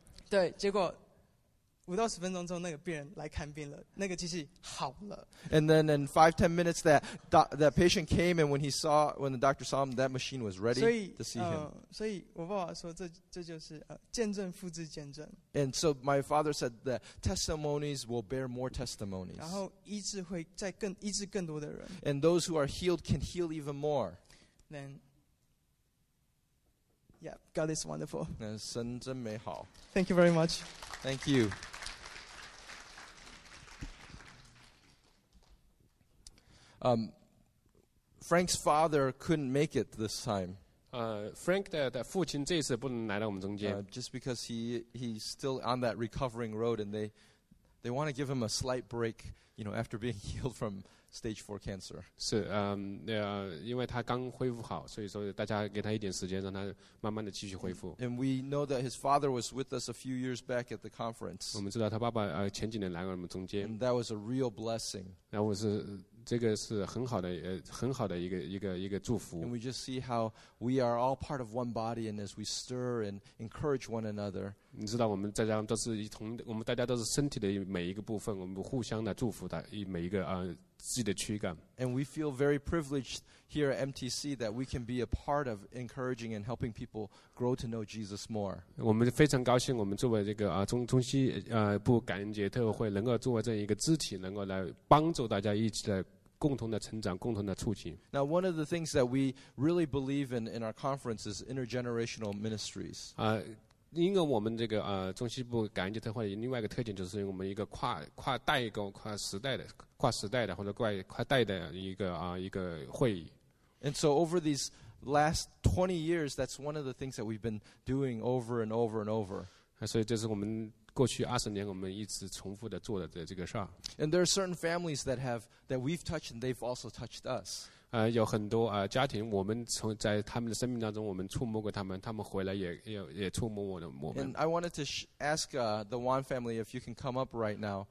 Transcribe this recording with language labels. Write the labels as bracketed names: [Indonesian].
[Chinese] 对，结果五到十分钟之后，那个病人来看病了，那个机器好了。 [English] And then in 5-10 minutes, that patient came, and when the doctor saw him, that machine was ready to see him. [Chinese] 所以我爸爸说，这就是见证复制见证。 [English] And so my father said that testimonies will bear more testimonies. [Chinese] 然后医治会再更医治更多的人。 [English] And those who are healed can heal even more. Then, yeah, God is wonderful. [Chinese] 那神真美好。 [English] Thank you very much. Thank you. Frank's father couldn't make it this time. [Chinese] Frank 的父亲这次不能来到我们中间。 [English] Just because he's still on that recovering road, and they want to give him a slight break, you know, after being healed from stage 4 cancer. [Chinese] 是，因为他刚恢复好，所以说大家给他一点时间，让他慢慢的继续恢复。 [English] And we know that his father was with us a few years back at the conference. [Chinese] 我们知道他爸爸前几年来过我们中间。 [English] And that was a real blessing. [Chinese] 那我是。这个是很好的，很好的一个祝福。 [English] And we just see how we are all part of one body, and as we stir and encourage one another. [Chinese] 你知道，我们大家都是我们大家都是身体的每一个部分，我们互相的祝福的每一个自己的躯干。 [English] And we feel very privileged here at MTC that we can be a part of encouraging and helping people grow to know Jesus more. [Chinese] 我们非常高兴，我们作为这个中西部感恩节特会，能够作为这一个肢体，能够来帮助大家一起来。共同的成长，共同的促进。 [English] Now, one of the things that we really believe in our conference is intergenerational ministries. [Chinese] 因为我们这个中西部感恩节特会的另外一个特点，就是我们一个跨代沟、跨时代的或者跨代的一个会议。 [English] And so over these last 20 years, that's one of the things that we've been doing over and over and over. [Chinese] 所以这是我们过去20年我们一直重复的做的这个事儿。 [English] And there are certain families that have that we've touched and they've also touched us. [Chinese] 有很多家庭，我们从在他们的生命当中，我们触摸过他们，他们回来也触摸我们。 [English] And I wanted to ask the Wan family if you can come up right now.